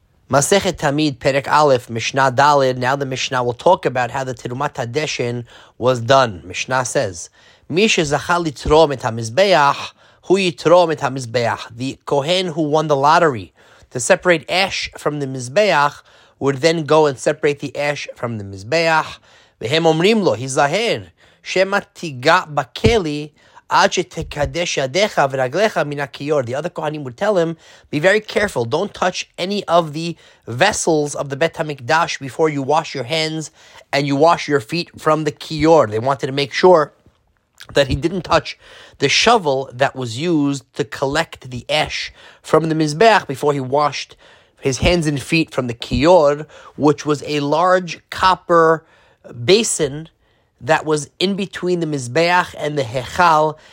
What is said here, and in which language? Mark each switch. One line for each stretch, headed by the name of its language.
English: Masechet Tamid, Perek Aleph, Mishnah Dalet. Now the Mishnah will talk about how the Terumat HaDeshen was done. Mishnah says,
Hebrew: Mi shezachal yitrom et hamizbeach, hu yitrom et hamizbeach.
English: The Kohen who won the lottery to separate ash from the Mizbeach would then go and separate the ash from the Mizbeach.
Hebrew: והם אומרים לו, היזהר, שמא תיגע בכלי עד שתקדש ידיך ורגליך מן הכיור.
English: The other Kohanim would tell him, be very careful, don't touch any of the vessels of the Bet HaMikdash before you wash your hands and you wash your feet from the kiyor. They wanted to make sure that he didn't touch the shovel that was used to collect the ash from the Mizbeach before he washed his hands and feet from the kiyor, which was a large copper basin that was in between the Mizbeach and the Hechal.